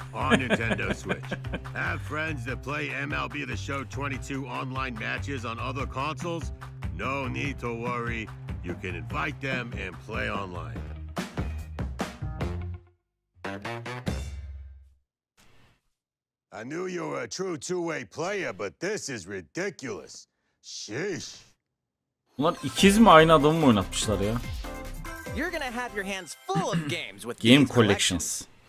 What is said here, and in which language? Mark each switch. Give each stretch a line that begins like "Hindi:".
English: Have friends that play MLB The Show 22 online matches on other consoles? No need to worry. You can invite them and play online. I knew you were a true two-way player, but this is ridiculous. Sheesh.
Turkish: Bunlar ikiz mi aynı adamı mı oynatmışlar ya?
English: You're gonna have your hands full of games with game collections.